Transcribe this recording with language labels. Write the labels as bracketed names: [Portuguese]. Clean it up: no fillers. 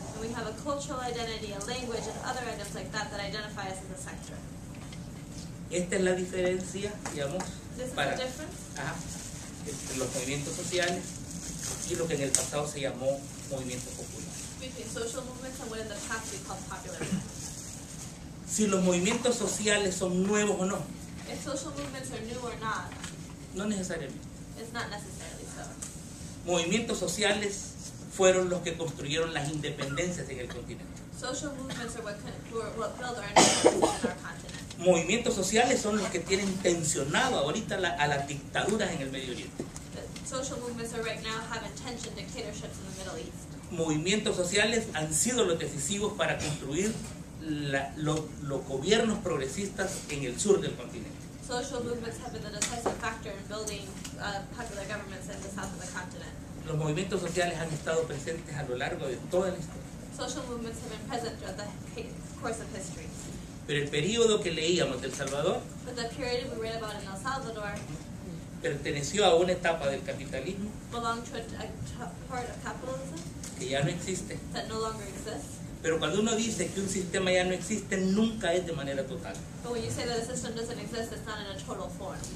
[English] We have a cultural identity, a language, and other items like that that identify us as a sector. [Spanish] Esta es la diferencia, digamos, para entre los movimientos sociales y lo que en el pasado se llamó movimiento popular. [English] Between social movements and what in the past we called popular movements. [Spanish] Si los movimientos sociales son nuevos o no. [English] If social movements are new or not. [Spanish] No necesariamente. [English] It's not necessarily so. [Spanish] Movimientos sociales fueron los que construyeron las independencias en el continente. [English] Social movements are what build our independence in our continent. [Spanish] Movimientos sociales son los que tienen tensionado ahorita a las dictaduras en el Medio Oriente. [English] Social movements are right now have intention dictatorships in the Middle East. [Spanish] Movimientos sociales han sido los decisivos para construir los gobiernos progresistas en el sur del continente. [English] Social movements have been the decisive factor in building popular governments in the south of the continent. [Spanish] Los movimientos sociales han estado presentes a lo largo de toda la historia. [English] Social movements have been present throughout the course of history. [Spanish] Pero el periodo que leíamos del Salvador, [English] but the period we read about in El Salvador, [Spanish] perteneció a una etapa del capitalismo, [English] belonged to a part of capitalism, [Spanish] que ya no existe. [English] That no longer exists. [Spanish] Pero cuando uno dice que un sistema ya no existe, nunca es de manera total. [English] But when you say that a system doesn't exist, it's not in a total form.